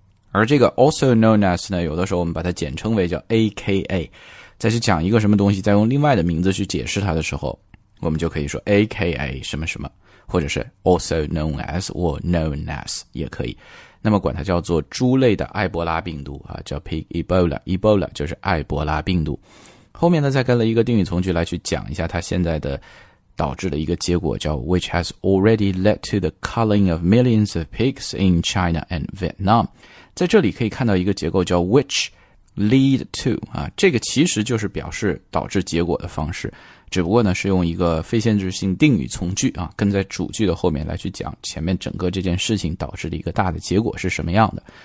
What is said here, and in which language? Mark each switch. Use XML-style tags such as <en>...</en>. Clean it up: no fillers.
<zh>而这个 also known as 呢有的时候我们把它简称为叫 AKA, 再去讲一个什么东西再用另外的名字去解释它的时候我们就可以说 AKA 什么什么或者是</zh> <en>also known as or known as</en> <zh>也可以，那么管它叫做猪类的埃博拉病毒、叫 pig Ebola, Ebola 就是埃博拉病毒。后面呢再跟了一个定语从句来去讲一下它现在的导致的一个结果叫</zh> <en>which has already led to the culling of millions of pigs in China and Vietnam.</en> <zh>在这里可以看到一个结构叫 which lead to, 这个其实就是表示导致结果的方式，只不过呢是用一个非限制性定语从句啊，跟在主句的后面来去讲前面整个这件事情导致的一个大的结果是什么样的。</zh>